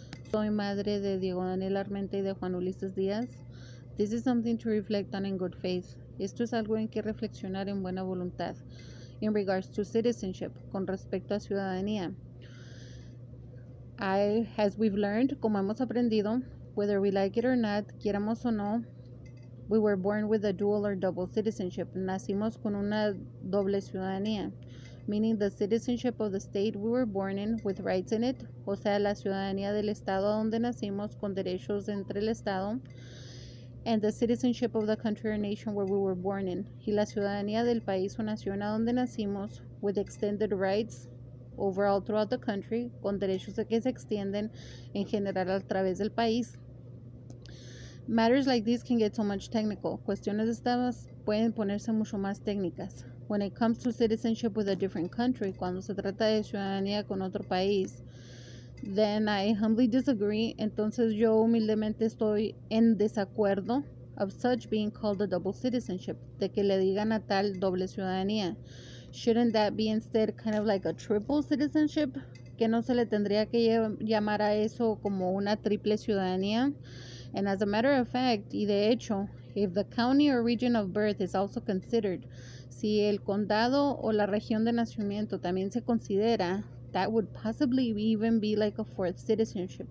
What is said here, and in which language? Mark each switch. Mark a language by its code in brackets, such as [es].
[es] Soy madre de Diego Daniel Armenta y de Juan Ulises Diaz. [en] This is something to reflect on in good faith. [es] Esto es algo en que reflexionar en buena voluntad. [en] In regards to citizenship, [es] con respecto a ciudadanía. [en] As we've learned, [es] como hemos aprendido, [en] whether we like it or not, [es] quieramos o no, [en] we were born with a dual or double citizenship. [es] Nacimos con una doble ciudadanía, [en] meaning the citizenship of the state we were born in with rights in it, [es] o sea, la ciudadanía del estado donde nacimos con derechos entre el estado, [en] and the citizenship of the country or nation where we were born in, [es] y la ciudadanía del país o nación a donde nacimos [en] with extended rights overall throughout the country, [es] con derechos que se extienden en general a través del país. [en] Matters like these can get so much technical. [es] Cuestiones de estas pueden ponerse mucho más técnicas. [en] When it comes to citizenship with a different country, [es] cuando se trata de ciudadanía con otro país, [en] then I humbly disagree. [es] Entonces yo humildemente estoy en desacuerdo [en] of such being called a double citizenship, [es] de que le digan a tal doble ciudadanía. [en] Shouldn't that be instead kind of like a triple citizenship? [es] Que no se le tendría que llamar a eso como una triple ciudadanía. [en] And as a matter of fact, [es] y de hecho, [en] if the county or region of birth is also considered, [es] si el condado o la región de nacimiento también se considera, [en] that would possibly even be like a fourth citizenship.